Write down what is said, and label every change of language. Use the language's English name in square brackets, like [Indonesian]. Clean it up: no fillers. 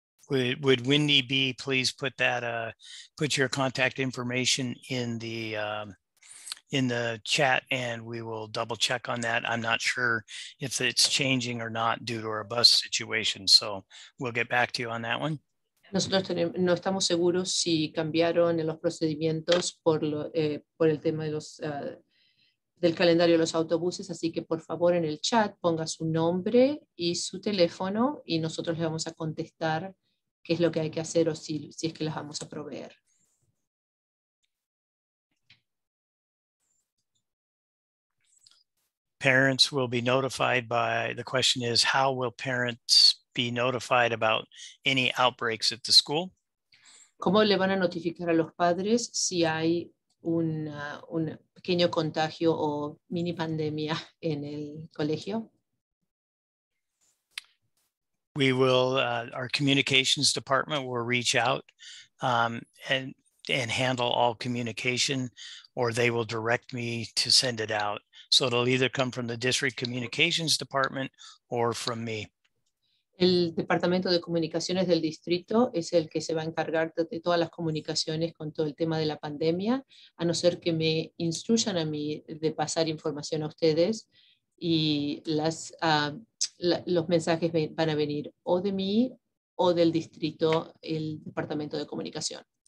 [English] Would Wendy B please put that put your contact information in the chat, and we will double check on that. I'm not sure if it's changing or not due to our bus situation, so we'll get back to you on that one. [Spanish] Nosotros tenemos, no estamos seguros si cambiaron en los procedimientos por lo, por el tema de los del calendario de los autobuses, así que por favor en el chat ponga su nombre y su teléfono y nosotros le vamos a contestar qué es lo que hay que hacer o si, si es que las vamos a proveer. [English] Parents will be notified by, the question is, how will parents be notified about any outbreaks at the school? [Spanish] ¿Cómo le van a notificar a los padres si hay un pequeño contagio o mini pandemia en el colegio? [English] We will, our communications department will reach out and handle all communication, or they will direct me to send it out. So it'll either come from the district communications department or from me. [Spanish] El departamento de comunicaciones del distrito es el que se va a encargar de todas las comunicaciones con todo el tema de la pandemia, a no ser que me instruyan a mí de pasar información a ustedes. Y las, los mensajes van a venir o de mí o del distrito, el departamento de comunicación.